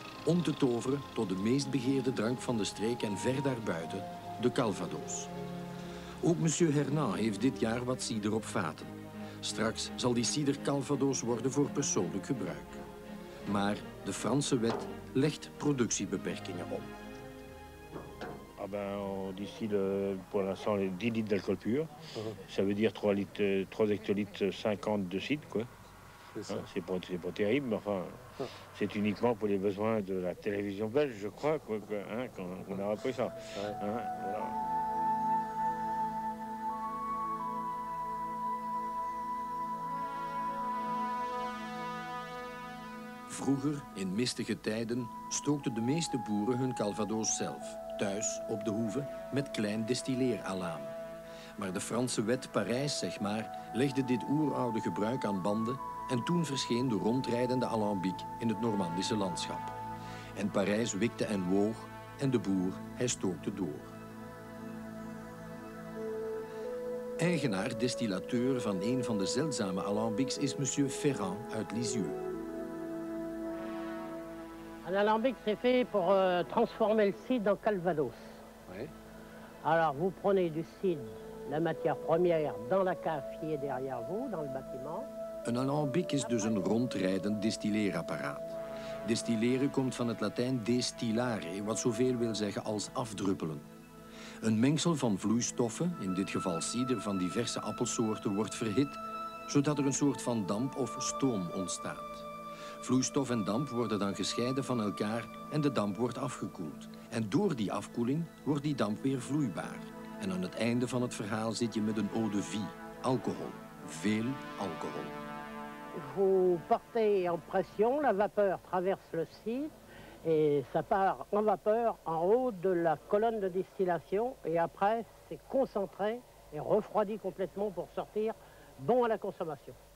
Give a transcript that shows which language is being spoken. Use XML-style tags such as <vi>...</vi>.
<nl>om te toveren tot de meest begeerde drank van de streek en ver daarbuiten, de Calvados. Ook monsieur Hernand heeft dit jaar wat cider op vaten. Straks zal die cider Calvados worden voor persoonlijk gebruik. Maar de Franse wet legt productiebeperkingen op.</nl> <fr>Ah ben, d'ici le, pour l'instant, 10 litres d'alcool pur. Uh-huh. Ça veut dire 3 litres, 3 hectolitres 50 de cidre, quoi. C'est ça. C'est pas terrible, mais enfin, c'est uniquement pour les besoins de la télévision belge, je crois, quoi, hein, quand on a repris ça. Ouais. Hein,</fr> <nl>vroeger, in mistige tijden, stookten de meeste boeren hun calvados zelf, thuis, op de hoeve, met klein destilleeralaam. Maar de Franse wet Parijs, zeg maar, legde dit oeroude gebruik aan banden en toen verscheen de rondrijdende alambiek in het Normandische landschap. En Parijs wikte en woog en de boer, hij stookte door. Eigenaar, destillateur van een van de zeldzame alambiks is monsieur Ferrand uit Lisieux.</nl> <fr>Un alambic, c'est fait pour transformer le cidre en calvados. Oui. Alors, vous prenez du cidre, la matière première, dans la cave qui est derrière vous, dans le bâtiment.</fr> <nl>Un alambic is dus een rondrijdend distilleerapparaat. Distilleren komt van het Latijn destillare, wat zoveel wil zeggen als afdruppelen. Een mengsel van vloeistoffen, in dit geval cidre van diverse appelsoorten, wordt verhit, zodat er een soort van damp of stoom ontstaat. Vloeistof en damp worden dan gescheiden van elkaar en de damp wordt afgekoeld. En door die afkoeling wordt die damp weer vloeibaar. En aan het einde van het verhaal zit je met een eau de vie, alcohol, veel alcohol.</nl> <fr>Vous portez en pression, la vapeur traverse le cidre et ça part en vapeur en haut de la colonne de distillation et après c'est concentré et refroidi complètement pour sortir bon à la consommation.</fr>